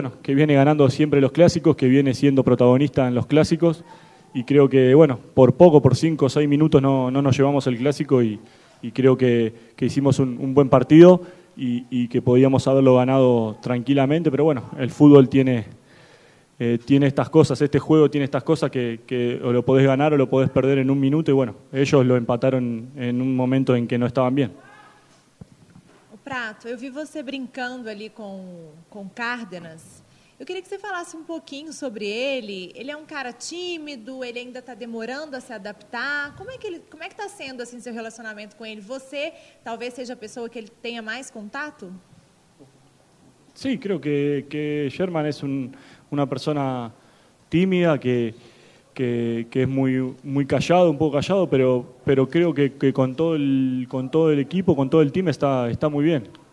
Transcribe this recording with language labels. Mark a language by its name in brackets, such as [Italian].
[Spanish] viene ganando siempre los clásicos, que viene siendo protagonista en los clásicos y creo que bueno, por poco, por 5 o 6 minutos no nos llevamos el clásico y creo que hicimos un buen partido y que podíamos haberlo ganado tranquilamente, pero bueno, el fútbol tiene estas cosas, este juego tiene estas cosas que o lo podés ganar o lo podés perder en un minuto y bueno, ellos lo empataron en un momento en que no estaban bien. [Portuguese] O Prato, eu vi você brincando ali com Cárdenas. Eu queria que você falasse um pouquinho sobre ele. Ele é um cara tímido, ele ainda está demorando a se adaptar. Como é que está sendo assim seu relacionamento com ele? Você talvez seja a pessoa que ele tenha mais contato? [Spanish] Sí, creo que Sherman es una persona tímida, que es muy, muy callado, un poco callado, pero creo que con todo el equipo, con todo el team está muy bien.